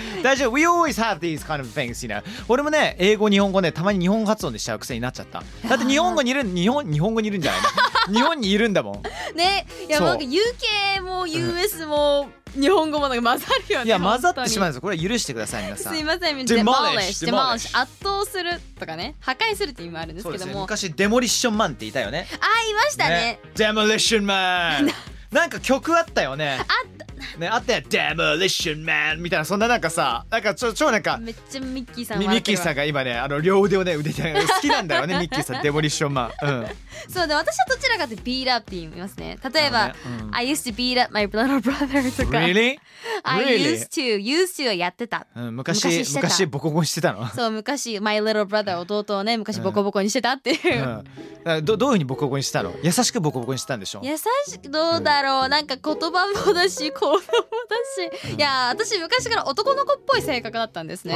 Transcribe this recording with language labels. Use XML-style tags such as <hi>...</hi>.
<en>大丈夫、we always have these kind of things, you know。</en> <ja>俺もね、英語日本語ね、たまに日本語発音でしちゃう癖になっちゃった。だって日本語にいる、日本語にいるんじゃない？日本にいるんだもん。ね、いや、なんか UK も US も日本語もなんか混ざるよね。いや、混ざってしまうんですよ。これは許してください、皆さん。すいません、皆さん。demolish、 demolish、圧倒するとかね、破壊するって意味もあるんですけども。そうですね、昔、デモリッションマンっていたよね。あ、いましたね。 demolition man。 なんか曲あったよね。あった。ね、あったよ。 demolition man みたいな、そんななんかさ、なんかちょなんか。めっちゃミッキーさんも。ミッキーさんが今ね、あの両腕をね、腕で好きなんだよね、ミッキーさん、デモリッションマン。うん。そうで、私はどちらかってビートアップって言いますね。例えば、</ja> <en>ね、うん、I used to beat up my little brother とか。 Really? I really?</en> <ja>used to はやってた。うん、昔ボコボコにしてたの。そう、昔</ja> <en>my little brother</en> <ja>弟をね、昔ボコボコにしてたっていう。うんうん、どういう風にボコボコにしてたの？優しくボコボコにしてたんでしょ？優しくどうだろう、なんか言葉もだし行動もだし、いや私昔から男の子っぽい性格だったんですね。</ja>